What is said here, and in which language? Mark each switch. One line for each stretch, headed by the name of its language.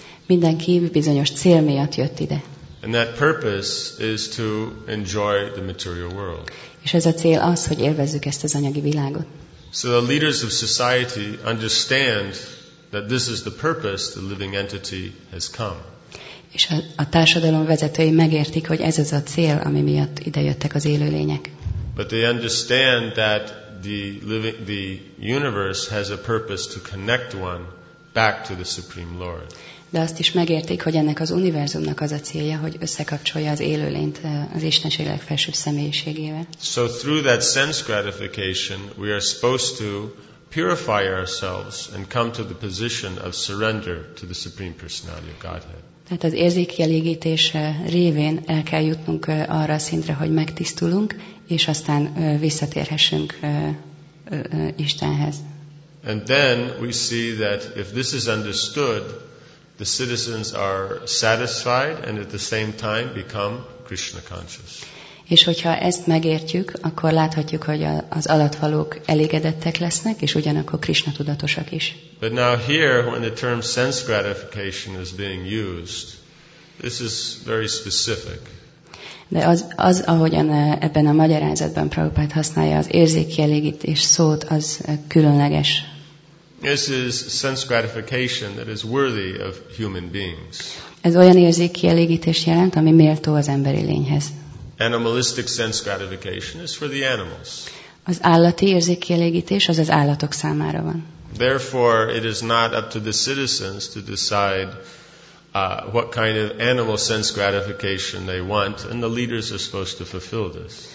Hungarian: Mindenki bizonyos cél miatt jött ide.
English: And that purpose is to enjoy the material world.
Hungarian: És ez a cél az, hogy élvezzük ezt az anyagi világot.
English: So the leaders of society understand that this is the purpose the living entity has come.
Hungarian: És a társadalom vezetői megértik, hogy ez az a cél, ami miatt idejöttek az élőlények.
English: But they understand that the universe has a purpose to connect one back to the Supreme Lord.
Hungarian: De azt is megértik, hogy ennek az univerzumnak az a célja, hogy összekapcsolja az élőlényt az Istenség legfelsőbb személyiségével.
English: So through that sense gratification, we are supposed to purify ourselves and come to the position of surrender to the Supreme Personality of Godhead.
Hungarian: Tehát az érzékielégítés révén el kell jutnunk arra a szintre, hogy megtisztulunk, és aztán visszatérhessünk Istenhez.
English: And then we see that if this is understood, the citizens are satisfied and at the same time become Krishna conscious.
Hungarian: És hogyha ezt megértjük, akkor láthatjuk, hogy az alattvalók elégedettek lesznek, és ugyanakkor Krishna tudatosak is.
English: But now here, when the term sense gratification is being used, this is very specific.
Hungarian: De az ahogyan ebben a magyarázatban Prabhupád használja az érzékkielégítés szót, az különleges.
English: This is sense gratification that is worthy of human beings.
Hungarian: Ez olyan érzékkielégítést jelent, ami méltó az emberi lényhez.
English: Animalistic sense gratification is for the animals.
Hungarian: Az állati érzékkielégítés az állatok számára van.
English: Therefore, it is not up to the citizens to decide what kind of animal sense gratification they want, and the leaders are supposed to fulfill this.